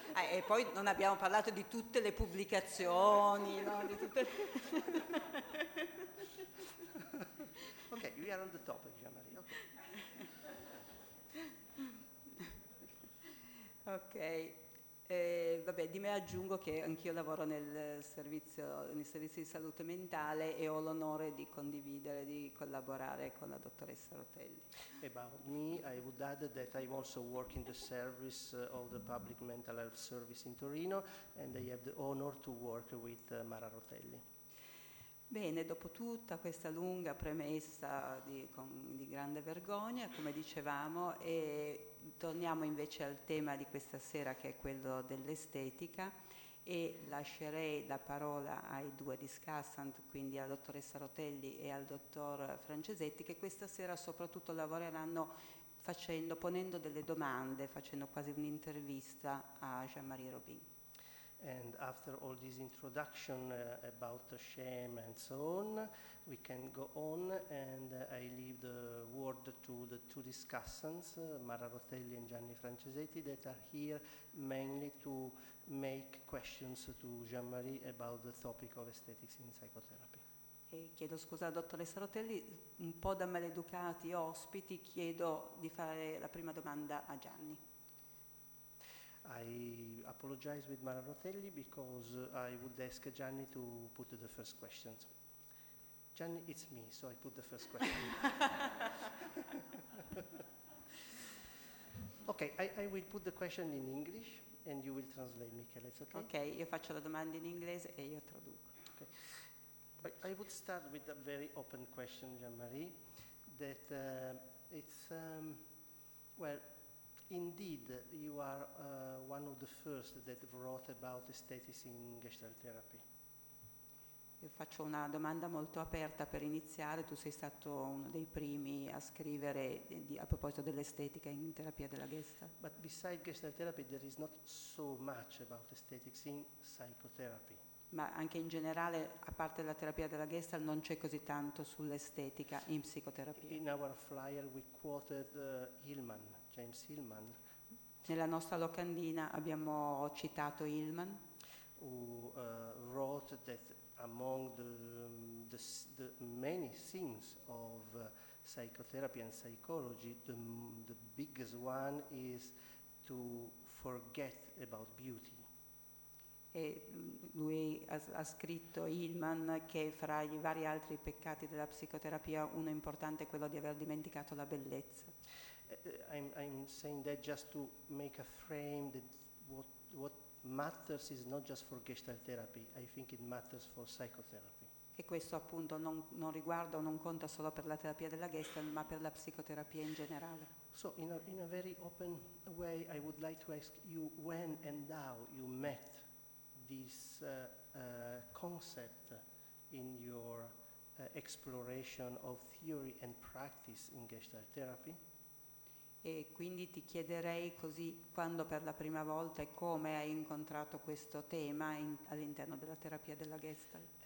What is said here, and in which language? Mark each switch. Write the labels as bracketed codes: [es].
[it] E poi non abbiamo parlato di tutte le pubblicazioni, no? Di tutte. [en] Ok, we are on the topic, Jean-Marie. Ok. [it] Ok, vabbè, di me aggiungo che anch'io lavoro nel servizio di salute mentale e ho l'onore di condividere, di collaborare con la dottoressa Rotelli. [en] About me, I would add that I'm also working the service of the public mental health service in Torino, and I have the honor to work with Mara Rotelli. [it] Bene, dopo tutta questa lunga premessa di grande vergogna, come dicevamo, e torniamo invece al tema di questa sera, che è quello dell'estetica, e lascerei la parola ai due discussant, quindi alla dottoressa Rotelli e al dottor Francesetti, che questa sera soprattutto lavoreranno ponendo delle domande, facendo quasi un'intervista a Jean-Marie Robin. [en] And after all this introduction about the shame and so on, we can go on, and I leave the word to the two discussants, Mara Rotelli and Gianni Francesetti, that are here mainly to make questions to Jean-Marie about the topic of aesthetics in psychotherapy. [it] E chiedo scusa a dottoressa Rotelli, un po' da maleducati ospiti, chiedo di fare la prima domanda a Gianni. [en] I apologize with Mara Rotelli because I would ask Gianni to put the first questions. Gianni, it's me, so I put the first question. Okay, I will put the question in English and you will translate, Michele, it's okay? [it] Okay, io faccio la domanda in inglese e io traduco. Okay. [en] I would start with a very open question, Jean-Marie, that indeed, you are one of the first that wrote about aesthetics in Gestalt therapy. [it] Io faccio una domanda molto aperta per iniziare. Tu sei stato uno dei primi a scrivere a proposito dell'estetica in terapia della Gestalt. [en] But besides Gestalt therapy, there is not so much about aesthetics in psychotherapy. [it] Ma anche in generale, a parte la terapia della Gestalt, non c'è così tanto sull'estetica in psicoterapia. [en] In our flyer we quoted Hillman. James Hillman. [it] Nella nostra locandina abbiamo citato Hillman, [en] who wrote that among the many things of psychotherapy and psychology, the biggest one is to forget about beauty. [it] E lui ha scritto Hillman che fra i vari altri peccati della psicoterapia uno importante è quello di aver dimenticato la bellezza. [en] I'm saying that just to make a frame that what matters is not just for Gestalt therapy, I think it matters for psychotherapy. [it] E questo appunto non riguarda o non conta solo per la terapia della Gestalt, ma per la psicoterapia in generale. [en] So in a very open way I would like to ask you when and how you met this concept in your exploration of theory and practice in Gestalt therapy. [it] E quindi ti chiederei così quando per la prima volta e come hai incontrato questo tema all'interno della terapia della Gestalt.